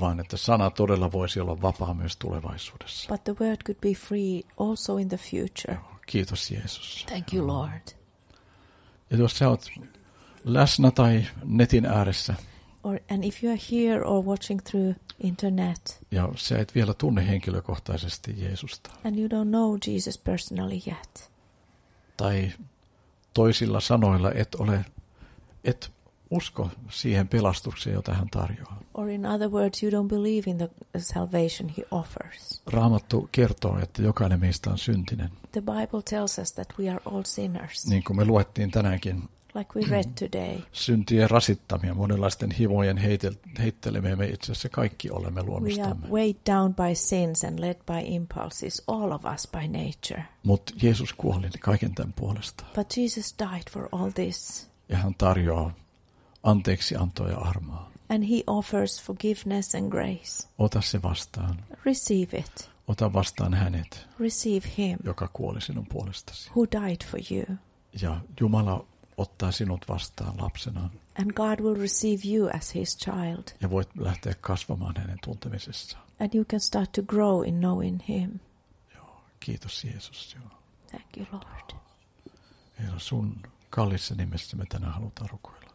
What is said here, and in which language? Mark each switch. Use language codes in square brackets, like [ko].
[fi] Vaan että sana todella voisi olla vapaa myös tulevaisuudessa. [en] But the word could be free also in the future. [fi] Joo, kiitos Jeesus. [en] Thank you, Lord. [fi] Ja jos sä oot läsnä tai netin ääressä. [en] And if you are here or watching through internet. [fi] Ja sä et vielä tunne henkilökohtaisesti Jeesusta. [en] And you don't know Jesus personally yet. [fi] Tai toisilla sanoilla et usko siihen pelastukseen, jota hän tarjoaa. [en] Or in other words, you don't believe in the salvation he offers. [fi] Raamattu kertoo, että jokainen meistä on syntinen. [en] The Bible tells us that we are all sinners. [fi] Niin kuin me luettiin tänäänkin. [en] Like we read today. [fi] Syntien rasittamia, monenlaisten himojen heittelemiä me itse asiassa kaikki olemme luonnostamme. [en] We are weighed down by sins and led by impulses, all of us by nature. [fi] Mutta Jeesus kuoli kaiken tämän puolesta. [en] But Jesus died for all this. [fi] Ja hän tarjoaa anteeksi antoa ja armaa. [en] And he offers forgiveness and grace. [fi] Ota se vastaan. [en] Receive it. [fi] Ota vastaan hänet. [en] Receive him. [fi] Joka kuoli sinun puolestasi. [en] Who died for you. [fi] Ja Jumala ottaa sinut vastaan lapsena. [en] And God will receive you as his child. [fi] Ja voit lähteä kasvamaan hänen tuntemisessaan. [en] And you can start to grow in knowing him. [fi] Joo, kiitos Jeesus. Joo. [en] Thank you, Lord. [fi] Herra, sun kallissa nimessä me tänään halutaan rukoilla.